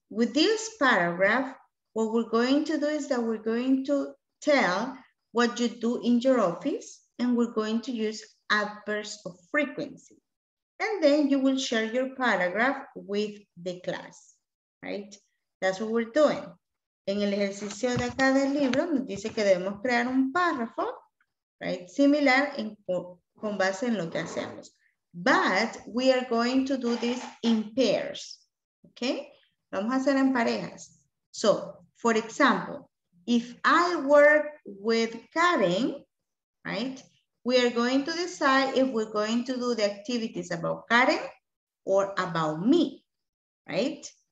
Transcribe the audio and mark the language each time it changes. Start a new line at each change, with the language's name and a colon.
English: With this paragraph, what we're going to do is that we're going to tell what you do in your office, and we're going to use adverbs of frequency. And then you will share your paragraph with the class, right? That's what we're doing.
Spanish: En el ejercicio de acá del libro, nos dice que debemos crear un párrafo, right? Similar en, con base en lo que hacemos.
English: But we are going to do this in pairs, okay?
Spanish: Vamos a hacer en parejas.
English: So, for example, if I work with Karen, right, we are going to decide if we're going to do the activities about Karen or about me, right?